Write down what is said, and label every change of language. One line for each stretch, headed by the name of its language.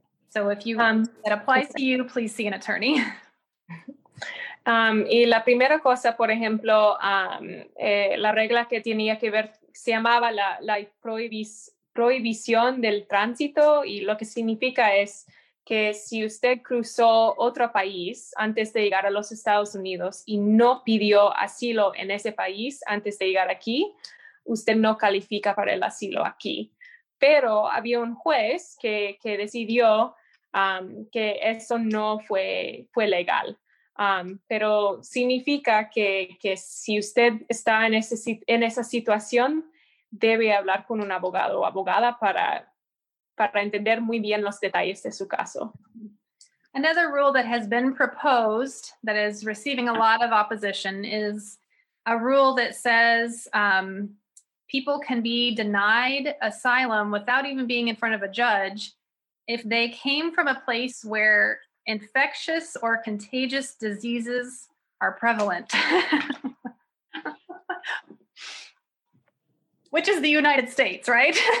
English: So if you that applies to you, please see an attorney.
Spanish: Y la primera cosa, por ejemplo, la regla que tenía que ver, se llamaba la prohibición del tránsito, y lo que significa es que si usted cruzó otro país antes de llegar a los Estados Unidos y no pidió asilo en ese país antes de llegar aquí, usted no califica para el asilo aquí. Pero había un juez que decidió que eso no fue legal. Pero significa que si usted está en esa situación, debe hablar con un abogado o abogada para entender muy bien los detalles de su caso.
English: Another rule that has been proposed that is receiving a lot of opposition is a rule that says people can be denied asylum without even being in front of a judge if they came from a place where infectious or contagious diseases are prevalent, which is the United States, right?